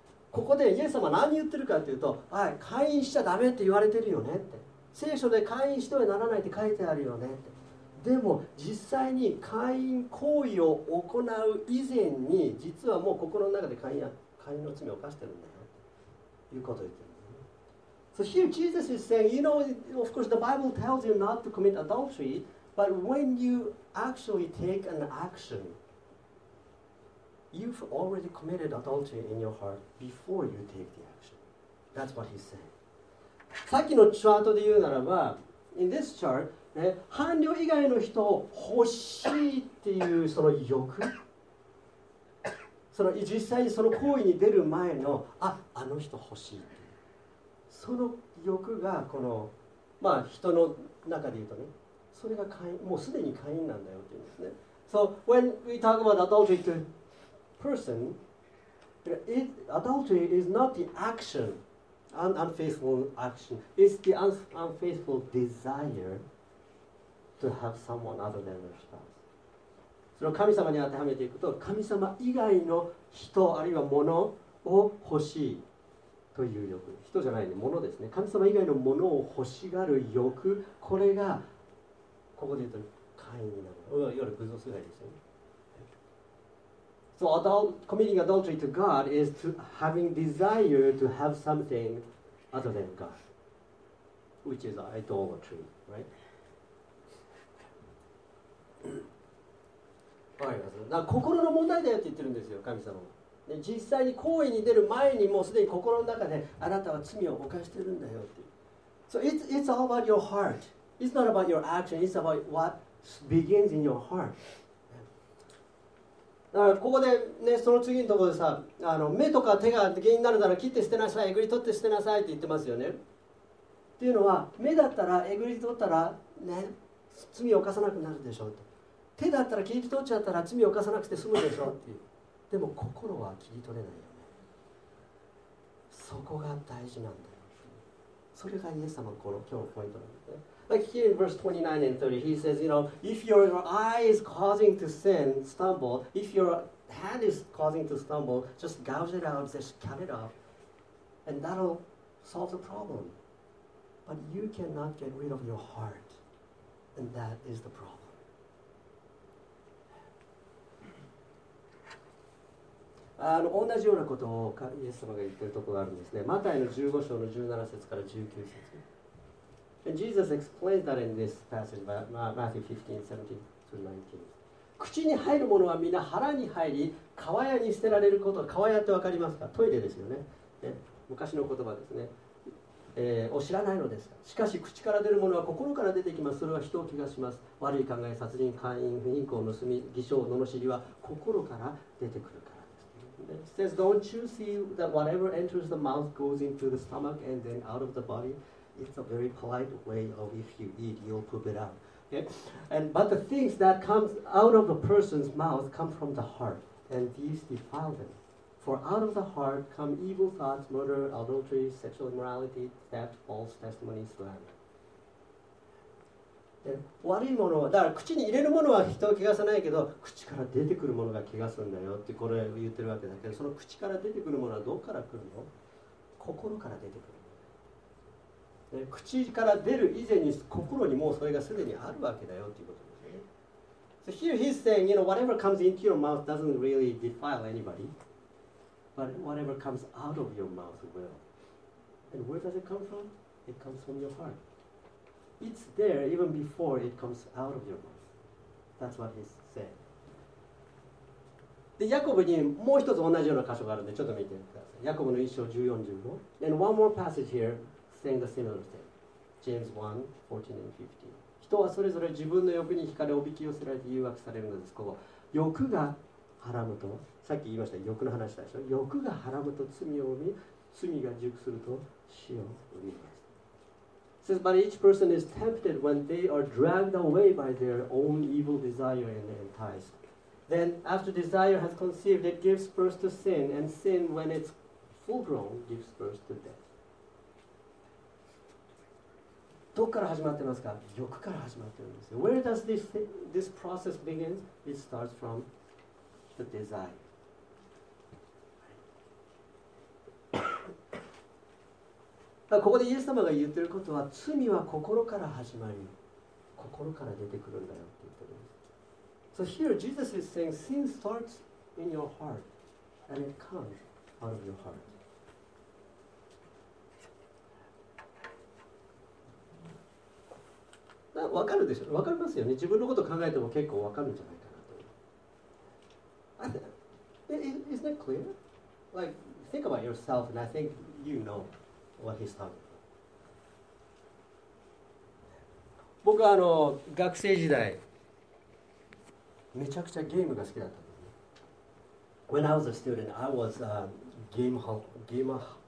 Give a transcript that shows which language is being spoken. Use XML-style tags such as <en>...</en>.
<ja>ここでイエス様何言ってるかというと、はい、姦淫しちゃダメって言われてるよねって。聖書で姦淫してはならないって書いてあるよねって。でも実際に姦淫行為を行う以前に、実はもう心の中で姦淫の罪を犯してるんだよということを言ってる。</ja> <en>So here Jesus is saying, you know, of course the Bible tells you not to commit adultery, but when you actually take an action, you've already committed adultery in your heart before you take the action. That's what he's saying.</en> <ja>さっきのチャートで言うならば、</ja> <en>in this chart,</en> <ja>ね、伴侶以外の人を欲しいっていうその欲、その実際にその行為に出る前の、あの人欲しいっていう、その欲がこの、まあ人の中で言うとね、それが会員、もうすでに会員なんだよっていうんですね。</ja> <en>So when we talk about adultery to person, adultery is not the action, an unfaithful action. It's the unfaithful desire to have someone other than your spouse.</en> <ja>それを神様に当てはめていくと、神様以外の人あるいは物を欲しいという欲、人じゃないね、物ですね。神様以外の物を欲しがる欲、これがここで言うと会員になる。いわゆる偶像崇拝ですよね。</ja> <en>So committing adultery to God is to having desire to have something other than God, which is idolatry, right?</en> <ja>わかります。だから心の問題だよって言ってるんですよ、神様は。で、実際に行為に出る前にもうすでに心の中であなたは罪を犯してるんだよって。</ja> <en>So it's all about your heart. It's not about your action. It's about what begins in your heart.</en> <ja>だからここでね、その次のところでさ、あの目とか手が原因になるなら切って捨てなさい、えぐり取って捨てなさいって言ってますよね。っていうのは、目だったらえぐり取ったらね、罪を犯さなくなるでしょうと。手だったら切り取っちゃったら罪を犯さなくて済むでしょうっていう。でも心は切り取れないよね。そこが大事なんだよ。それがイエス様のこの今日のポイントなんですね。</ja> <en>Like here in verse 29 and 30, he says, you know, if your eye is causing to sin, stumble, if your hand is causing to stumble, just gouge it out, just cut it off, and that'll solve the problem. But you cannot get rid of your heart, and that is the problem.</en> <ja>あの同じようなことをイエス様が言ってるところがあるんですね。マタイの15章の17節から19節。</ja> <en>And Jesus explains that in this passage, Matthew 15:17-19.</en> <ja>口に入るものはみんな腹に入り、川屋に捨てられること。川屋ってわかりますか？トイレですよね。ね、昔の言葉ですね。お知らないのですか？しかし口から出るものは心から出てきます。それは人を汚します。悪い考え、殺人、姦淫、不倫行、盗み、偽証、罵りは心から出てくるからです。</ja> <en>It says, don't you see that whatever enters the mouth goes into the stomach and then out of the body? It's a very polite way of if you eat, you'll poop it out. Okay? But the things that come out of a person's mouth come from the heart, and these defile them. For out of the heart come evil thoughts, murder, adultery, sexual immorality, theft, false testimony, slander.</en> <ja>悪いものは、だから口に入れるものは人を汚さないけど、口から出てくるものが汚すんだよってこれ言ってるわけだけど、その口から出てくるものはどこから来るの？心から出てくる。口から出る以前に心にもうそれがすでにあるわけだよということですね。</ja> <en>So here he's saying, you know, whatever comes into your mouth doesn't really defile anybody, but whatever comes out of your mouth will. And where does it come from? It comes from your heart. It's there even before it comes out of your mouth. That's what he's saying.</en> <ja>で、ヤコブにもう一つ同じような箇所があるんで、ちょっと見てください。ヤコブの1章14、15。</ja> <en>And one more passage here. Saying the similar thing. James 1:14 and 15.</en> <ja>人はそれぞれ自分の欲に惹かれおびき寄せられて誘惑されるのです。ここ欲がはらむと、さっき言いました欲の話だでしょ。欲がはらむと罪を生み、罪が熟すると死を生みます。</ja> <en>Says, but each person is tempted when they are dragged away by their own evil desire and enticed. Then, after desire has conceived, it gives birth to sin, and sin, when it's full grown, gives birth to death.</en> <ja>どこから始まってますか？欲から始まってるんですよ。</ja> <en>Where does this process begin? It starts from the desire.</en> <ja>ここでイエス様が言ってることは、罪は心から始まり、心から出てくるんだよって言ってるんです。</ja> <en>So here Jesus is saying, sin starts in your heart, and it comes out of your heart.</en> <ja>わかるでしょ。わかりますよね。自分のことを考えても結構わかるんじゃないかなと。</ja> <en>Isn't it clear? Like, think about yourself, and I think you know What is target?</en> <ja>僕はあの学生時代めちゃくちゃゲームが好きだった。</ja> <en>When I was a student, I was a gameaholic.</en>